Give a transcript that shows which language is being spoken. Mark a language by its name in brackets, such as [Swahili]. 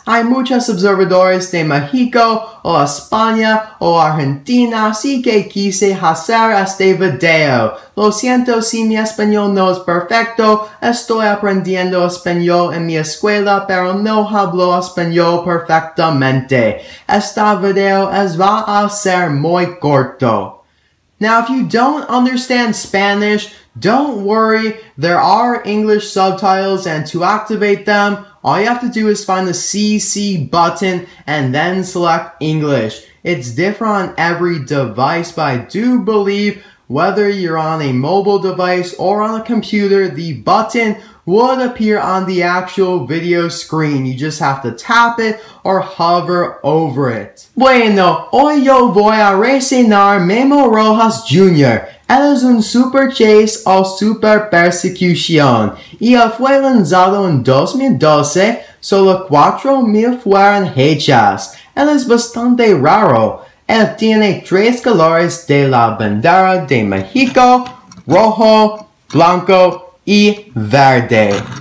[Spanish] Hay muchos observadores de México o España o Argentina, así que quise hacer este video. Lo siento si mi español no es perfecto, estoy aprendiendo español en mi escuela, pero no hablo español perfectamente. Este video va a ser muy corto. [English] Now, if you don't understand Spanish, don't worry. There are English subtitles, and to activate them, all you have to do is find the CC button and then select English. It's different on every device, but I do believe whether you're on a mobile device or on a computer, the button would appear on the actual video screen. You just have to tap it or hover over it. [Spanish] Bueno, hoy yo voy a reseñar Memo Rojas Jr. Él es un super chase o super persecución. Y fue lanzado en 2012, solo 4,000 fueron hechas. Él es bastante raro. Él tiene tres colores de la bandera de México, rojo, blanco, y verde.